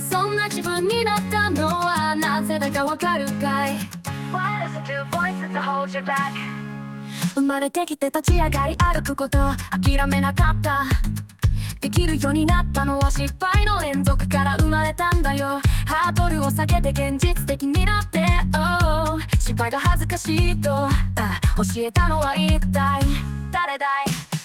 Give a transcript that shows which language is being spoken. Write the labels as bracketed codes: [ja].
[ja] そんな自分になったのはなぜだかわかるかい。 [en] What is the voice that holds you back? [ja] 生まれてきて立ち上がり歩くこと諦めなかった。できるようになったのは失敗の連続から生まれたんだよ。ハードルを下げて現実的になって、oh, 失敗が恥ずかしいと、教えたのは一体誰だい。